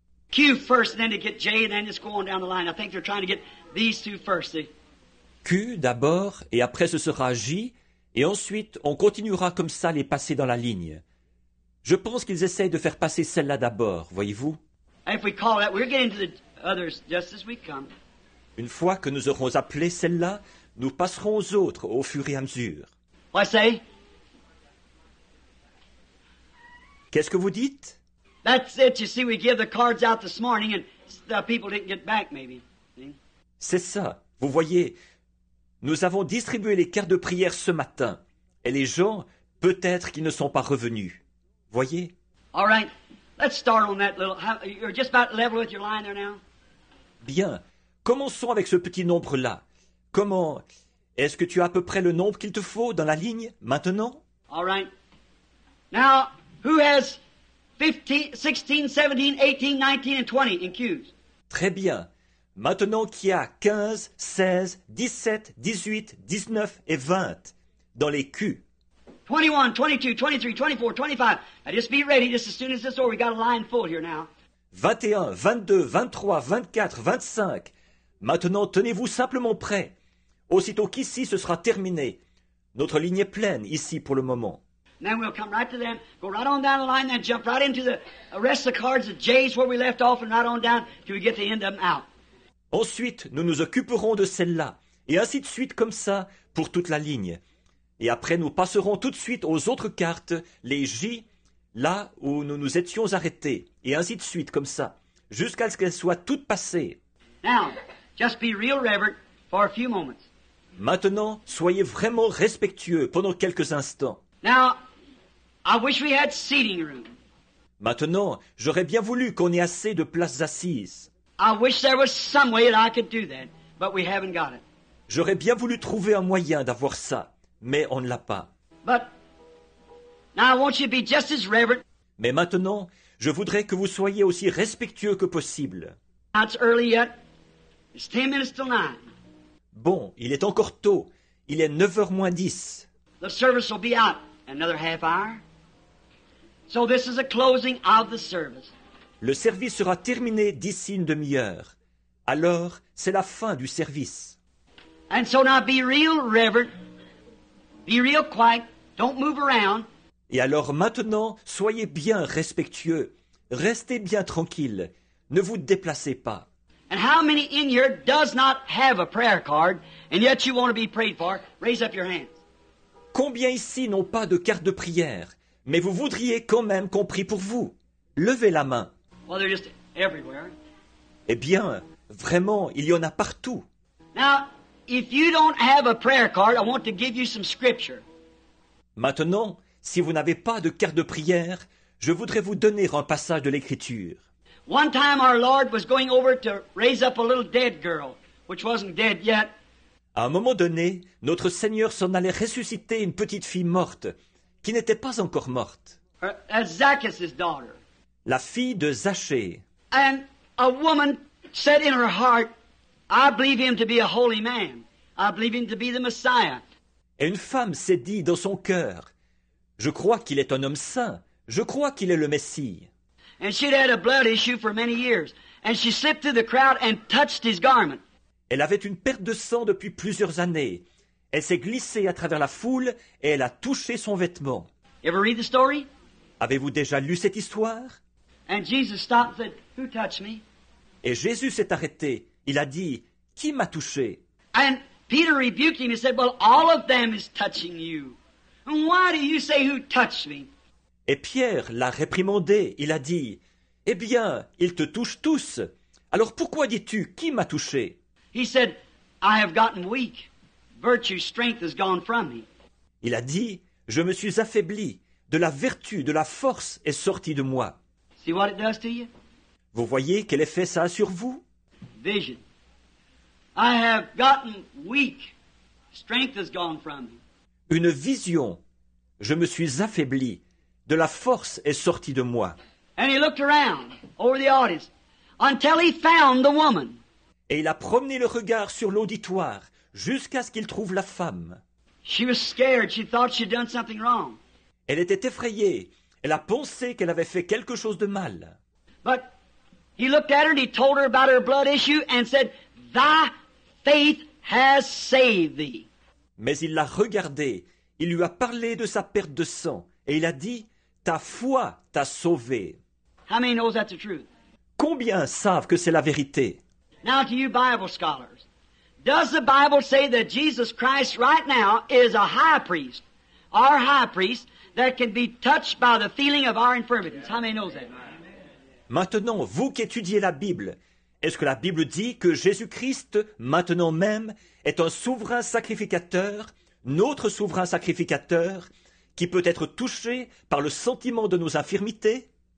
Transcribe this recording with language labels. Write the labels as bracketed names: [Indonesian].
[English] Q first, then to get J, and then just go on down the line. I think they're trying to get these two first. See? [French] Q d'abord, et après ce sera J, et ensuite on continuera comme ça les passer dans la ligne. Je pense qu'ils essayent de faire passer celle-là d'abord, voyez-vous? [English] If we call that, we're getting to the others just as we come. [French] Une fois que nous aurons appelé celle-là, nous passerons aux autres au fur et à mesure. [English] What I say? [French] Qu'est-ce que vous dites? [English] That's it, you see, we give the cards out this morning and the people didn't get back maybe. [French] C'est ça, vous voyez, nous avons distribué les cartes de prière ce matin et les gens, peut-être qu'ils ne sont pas revenus, voyez? [English] All right. Let's start on that little. How, you're just about level with your line there now. [French] Bien. Commençons avec ce petit nombre-là. Comment? Est-ce que tu as à peu près le nombre qu'il te faut dans la ligne maintenant? [English] All right. Now, who has 15, 16, 17, 18, 19, and 20 in queues? [French] Très bien. Maintenant, qui a 15, 16, 17, 18, 19 et 20 dans les queues? [English] 21, 22, 23, 24, 25. Now just be ready, just as soon as this door, we got a line full here now. [French] 21, 22, 23, 24, 25. Maintenant, tenez-vous simplement prêt. Aussitôt qu'ici, ce sera terminé. Notre ligne est pleine ici pour le moment. [English] Then we'll come right to them, go right on down the line, then jump right into the rest of the cards, the J's where we left off, and right on down till we get the end of them out. [French] Ensuite, nous nous occuperons de celle-là, et ainsi de suite comme ça pour toute la ligne. Et après, nous passerons tout de suite aux autres cartes, les J, là où nous nous étions arrêtés, et ainsi de suite, comme ça, jusqu'à ce qu'elles soient toutes passées. [English] Now, just be real reverent for a few moments. [French] Maintenant, soyez vraiment respectueux pendant quelques instants. [English] Now, I wish we had seating room. [French] Maintenant, j'aurais bien voulu qu'on ait assez de places assises. [English] I wish there was some way that I could do that, but we haven't got it. [French] J'aurais bien voulu trouver un moyen d'avoir ça. Mais on ne l'a pas. [English] But, now I want you to be just as reverent. [French] Mais maintenant, je voudrais que vous soyez aussi respectueux que possible. [English] It's early yet. It's 10 minutes till 9. [French] Bon, il est encore tôt. Il est 9h10. [English] The service will be out another half hour. So this is a closing of the service. [French] Le service sera terminé d'ici une demi-heure. Alors, c'est la fin du service. [English] And so now be real reverent. Be real quiet. Don't move around. [French] Et alors maintenant, soyez bien respectueux. Restez bien tranquille. Ne vous déplacez pas. [English] And how many in here does not have a prayer card and yet you want to be prayed for? Raise up your hands. [French] Combien ici n'ont pas de carte de prière, mais vous voudriez quand même qu'on prie pour vous? Levez la main. [English] Well, they're just everywhere. [French] Eh bien, vraiment, il y en a partout. [English] Now, if you don't have a prayer card, I want to give you some scripture. [French] Maintenant, si vous n'avez pas de carte de prière, je voudrais vous donner un passage de l'Écriture. [English] One time our Lord was going over to raise up a little dead girl, which wasn't dead yet. [French] À un moment donné, notre Seigneur s'en allait ressusciter une petite fille morte, qui n'était pas encore morte. [English] Zacchaeus' daughter. [French] La fille de Zachée. [English] And a woman said in her heart, I believe him to be a holy man. I believe him to be the Messiah. [French] Et une femme s'est dit dans son cœur, je crois qu'il est un homme saint. Je crois qu'il est le Messie. [English] And she'd had a blood issue for many years. And she slipped through the crowd and touched his garment. [French] Elle avait une perte de sang depuis plusieurs années. Elle s'est glissée à travers la foule et elle a touché son vêtement. [English] You ever read the story? [French] Avez-vous déjà lu cette histoire? [English] And Jesus stopped and said, "Who touched me?" [French] Et Jésus s'est arrêté. Il a dit, qui m'a touché? [English] And Peter rebuked him and said, "Well, all of them is touching you. Why do you say who touched me?" [French] Et Pierre l'a réprimandé. Il a dit, eh bien, ils te touchent tous. Alors pourquoi dis-tu, qui m'a touché? [English] He said, I have gotten weak. Virtue, strength has gone from me. [French] Il a dit, je me suis affaibli. De la vertu, de la force est sortie de moi. [English] See what it does to you? [French] Vous voyez quel effet ça a sur vous? [English] Vision. I have gotten weak. Strength has gone from me. [French] Une vision. Je me suis affaibli. De la force est sortie de moi. [English] And he looked around over the audience until he found the woman. [French] Et il a promené le regard sur l'auditoire jusqu'à ce qu'il trouve la femme. [English] She was scared. She thought she'd done something wrong. [French] Elle était effrayée. Elle a pensé qu'elle avait fait quelque chose de mal. [English] But he looked at her and he told her about her blood issue and said, "Thy faith has saved thee." [French] Mais il l'a regardée. Il lui a parlé de sa perte de sang et il a dit, "Ta foi t'a sauvée." [English] How many knows that's the truth? [French] Combien savent que c'est la vérité? [English] Now to you Bible scholars, does the Bible say that Jesus Christ right now is a high priest, our high priest, that can be touched by the feeling of our infirmities? How many knows that? [French] Maintenant, vous qui étudiez la Bible, est-ce que la Bible dit que Jésus-Christ, maintenant même, est un souverain sacrificateur, notre souverain sacrificateur, qui peut être touché par le sentiment de nos infirmités?